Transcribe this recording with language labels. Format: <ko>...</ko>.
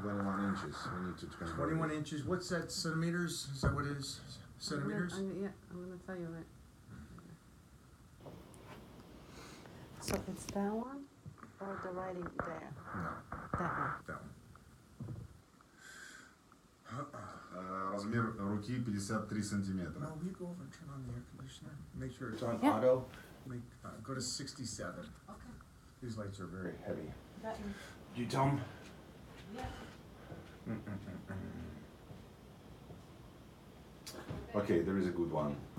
<en>21 inches. We need to 21 inches. What's that, centimeters? Is that what it is? Centimeters? I'm going to tell you right. So it's that one or the writing there? No. That one. That one.</en> <ru>размер руки 53 сантиметра.</ru> <en>Now, will you go over and turn on the air conditioner? Make sure it's on auto. Make, go to 67. Okay. These lights are very heavy. Button. You tell him? Yeah. Okay, there is a good one.</en>